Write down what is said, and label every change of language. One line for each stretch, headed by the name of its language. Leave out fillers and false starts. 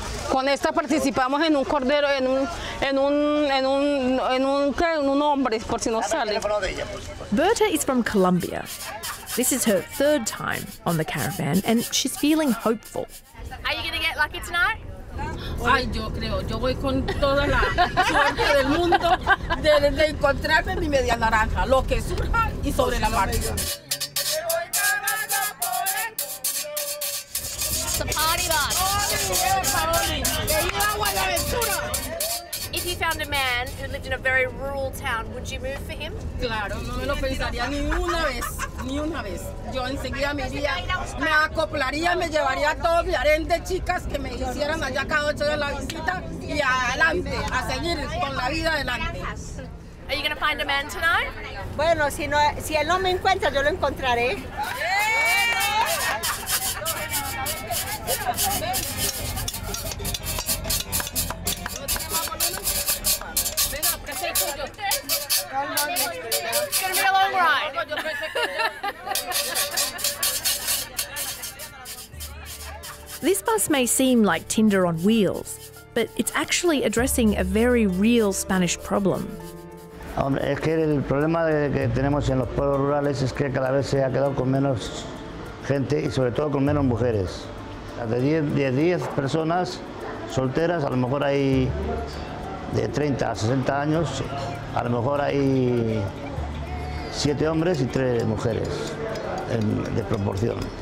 Spanish: Con esta participamos en un cordero en un hombre por si no sale.
English: Berta is from Colombia. This is her third time on the caravan and she's feeling hopeful. Are you going to get lucky tonight?
Spanish: Ay, yo creo, yo voy con toda la suerte del mundo de encontrarme mi media naranja, lo que surja y sobre la marcha.
English: It's a party bus. If you found a man who lived in a very rural town, would you move for him?
Spanish: Claro, no me lo pensaría ni una vez, ni una vez. Yo enseguida me iría, me acoplaría, me llevaría a todos mi harén de chicas que me hicieran allá cada 8 de la visita y adelante, a seguir con la vida adelante.
English: Are you going to find a man tonight?
Spanish: Bueno, si él no me encuentra, yo lo encontraré.
English: It's going to be a long ride. This bus may seem like Tinder on wheels, but it's actually addressing a very real Spanish problem.
Spanish: Es que el problema que tenemos en los pueblos rurales es que cada vez se ha quedado con menos gente y sobre todo con menos mujeres. De 10 personas solteras, a lo mejor hay de 30 a 60 años, a lo mejor hay 7 hombres y 3 mujeres de proporción.